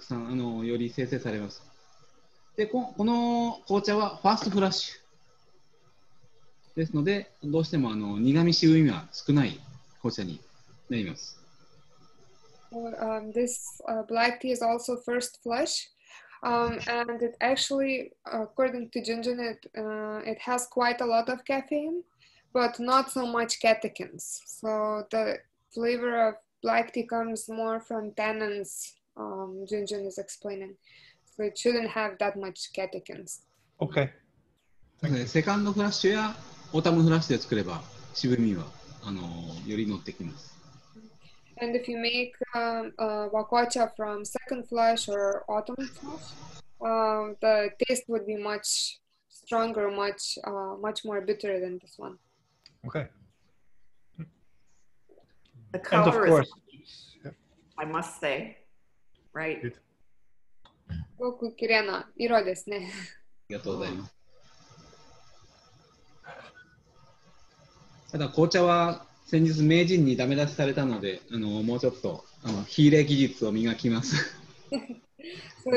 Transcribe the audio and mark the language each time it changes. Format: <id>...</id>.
<ja>で、苦味は、カフェインとか、カテキンから来る。で、今は全然苦味感じてないから、そのカフェインとかカテキンはそんなにないですか、この。これはカフェインは多いんだけれども、カテキンは少ない。で、多分、紅茶の苦味はタンニンから来ると思っています。で、タンニンは、太陽の光をたくさん浴びることによって、たくさん、より生成されます。で、この紅茶はファーストフラッシュですので、どうしても苦味渋みは少ない紅茶になります。</ja> <en>This black tea is also first flush, and it actually, according to Jinjin, it has quite a lot of caffeine, but not so much catechins. So the flavor of black tea comes more from tannins, Jinjin is explaining. So it shouldn't have that much catechins. Okay. Second flush or autumn flush, you can make the sweetness more intense. And if you make wakocha from second flush or autumn flush, the taste would be much stronger, much more bitter than this one. Okay. The color and of course, I must say, right? Good.</en> <ja>すごく綺麗な色ですね。ありがとうございます。ただ紅茶は先日名人にダメ出しされたので、もうちょっと火入れ技術を磨きます。</ja> <en>So</en>